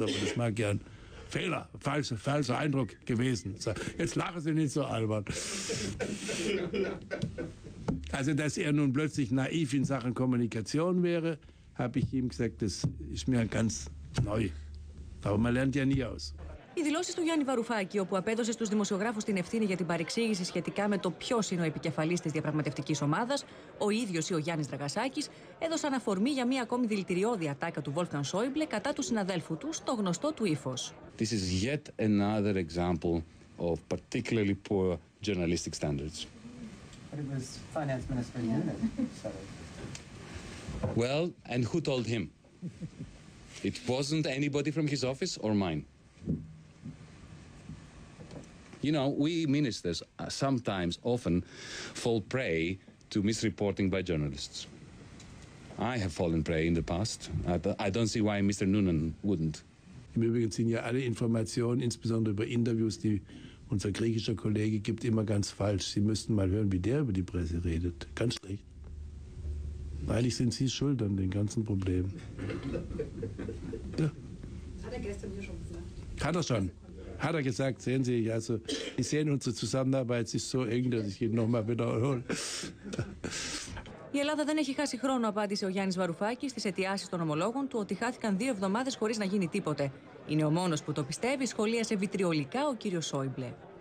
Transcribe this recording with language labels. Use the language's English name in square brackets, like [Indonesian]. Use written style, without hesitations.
[German] Aber das mag ja ein Fehler, falscher Eindruck gewesen sein. Jetzt lachen Sie nicht so albern. Also, dass er nun plötzlich naiv in Sachen Kommunikation wäre, habe ich ihm gesagt, das ist mir ganz neu. Aber man lernt ja nie aus. [Greek] Οι δηλώσεις του Γιάννη Βαρουφάκη, όπου απέδωσε στους δημοσιογράφους την ευθύνη για την παρεξήγηση σχετικά με το ποιος είναι ο επικεφαλής της διαπραγματευτικής ομάδας, ο ίδιος ή ο Γιάννης Δραγασάκης, έδωσαν αφορμή για μια ακόμη δηλητηριώδη ατάκα του Wolfgang Schäuble κατά του συναδέλφου του στο γνωστό του ύφος. [English] This is yet another example of particularly poor journalistic standards. But it was finance minister Yeah. Well, and who told him? It wasn't anybody from his office or mine. You know, we ministers sometimes often fall prey to misreporting by journalists. I have fallen prey in the past. I don't see why Mr. Noonan wouldn't. [German] Im Übrigen sind ja alle Informationen, insbesondere über Interviews, die unser griechischer Kollege gibt, immer ganz falsch. Sie müssten mal hören, wie der über die Presse redet. Ganz schlecht. Eigentlich sind Sie schuld an den ganzen Problemen. Ja. Hat er gestern hier schon gesagt? Hat er schon. Hat er gesagt, sehen Sie, also Sie sehen unsere Zusammenarbeit, es ist so eng, dass ich ihn nochmal wiederhole. [Greek] Η Ελλάδα δεν έχει χάσει χρόνο, απάντησε ο Γιάννης Βαρουφάκης στις αιτιάσεις των ομολόγων του ότι χάθηκαν δύο εβδομάδες χωρίς να γίνει τίποτε. Είναι ο μόνος που το πιστεύει, σχολίασε βιτριολικά ο κύριος Σόιμπλε.